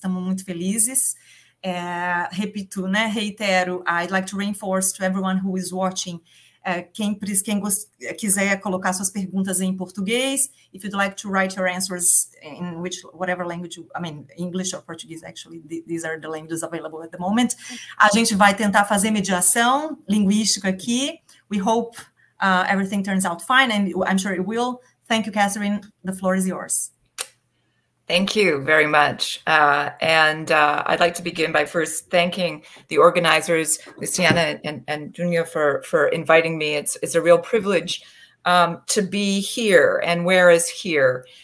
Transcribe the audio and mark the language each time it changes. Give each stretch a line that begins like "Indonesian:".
Portuguese: Estamos muito felizes. Repito, né?
English: Reitero, I'd like to reinforce to everyone who is watching,
Portuguese: quem quiser colocar suas perguntas em português,
English: if you'd like to write your answers in which, whatever language, you, I mean, English or Portuguese, actually, these are the languages available at the moment.
Portuguese: A gente vai tentar fazer mediação linguística aqui.
English: We hope everything turns out fine, and I'm sure it will. Thank you, Katherine. The floor is yours. Thank you very much. I'd like to begin by first thanking the organizers, Luciana and Junia, for inviting me. It's a real privilege to be here. And where is here?